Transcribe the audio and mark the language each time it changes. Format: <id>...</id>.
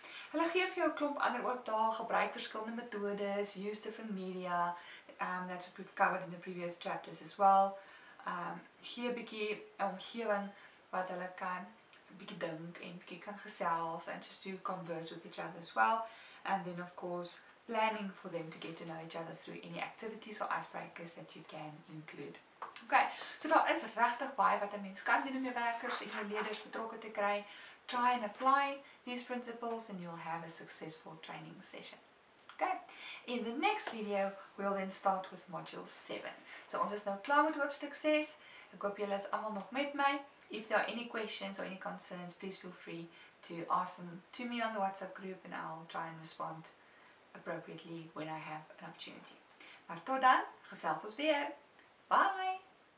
<af>Hulle gee vir jou 'n klomp ander opdrag, gebruik verskillende metodes,</af> <en>use different media, that's what we've covered in the previous chapters as well.</en> <af>Gee bietjie omgewing wat hulle kan bietjie dink en bietjie kan gesels</af> <en>and just to converse with each other as well. And then of course planning for them to get to know each other through any activities or icebreakers that you can include.</en> <af>Okay, so daar is regtig baie wat 'n mens kan doen om jou werkers en jou leerders betrokke te kry.</af> <en>Try and apply these principles and you'll have a successful training session. Okay, in the next video we'll then start with module 7.</en> <af>So ons is nou klaar met hoofstuk 6. Ek hoop julle is allemaal nog met my.</af> <en>If there are any questions or any concerns, please feel free to ask them to me on the WhatsApp group and I'll try and respond appropriately when I have an opportunity.</en> <af>Maar tot dan, gesels ons weer.</af> <en>Bye!</en>